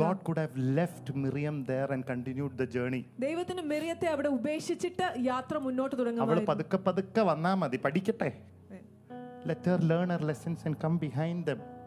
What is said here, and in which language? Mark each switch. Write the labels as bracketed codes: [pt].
[en] God could have left Miriam there and continued the journey. [ml] ദൈവത്തിന് മിറിയത്തെ അവിടെ ഉപേക്ഷിച്ചിട്ട് യാത്ര മുന്നോട്ട് തുടങ്ങാമായിരുന്നു. അവൾ പതുക്കെ പതുക്കെ വന്നാ മതി, പഠിക്കട്ടെ. [en] Let her learn her lessons and come behind them.